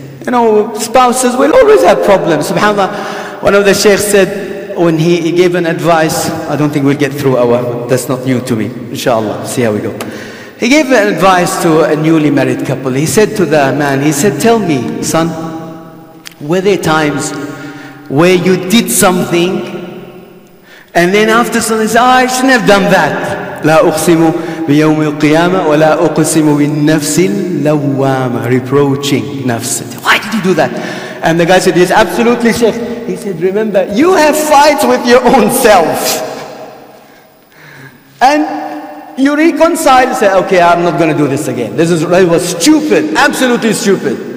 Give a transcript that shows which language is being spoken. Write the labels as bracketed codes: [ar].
[en] You know, spouses will always have problems. SubhanAllah, one of the sheikhs said, when he gave an advice, I don't think we'll get through our, that's not new to me, inshallah, see how we go. He gave an advice to a newly married couple. He said to the man, he said, tell me, son, were there times where you did something and then after something you say, oh, I shouldn't have done that. [ar] لا أقسم بيوم القيامة ولا أقسم بالنفس اللوامة. [en] Reproaching نفس. Why did you do that? And the guy said, yes, absolutely, Sheikh. He said, remember, you have fights with your own self. And you reconcile, say, okay, I'm not going to do this again. This is, it was stupid, absolutely stupid.